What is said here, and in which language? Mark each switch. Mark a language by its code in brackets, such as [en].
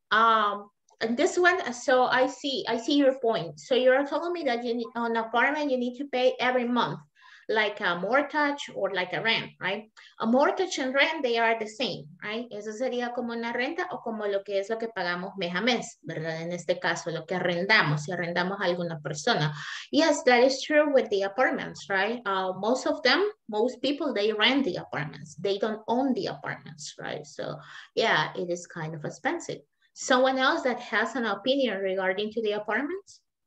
[en] And this one, so I see your point. So you're telling me that you need, on apartment, you need to pay every month, like a mortgage or like a rent, right? A mortgage and rent, they are the same, right? [es] Eso sería como una renta o como lo que es lo que pagamos mes a mes, ¿verdad? En este caso, lo que arrendamos, si arrendamos a alguna persona. [en] Yes, that is true with the apartments, right? Most of them, most people, they rent the apartments. They don't own the apartments, right? So yeah, it is kind of expensive. Someone else that has an opinion regarding to the apartments?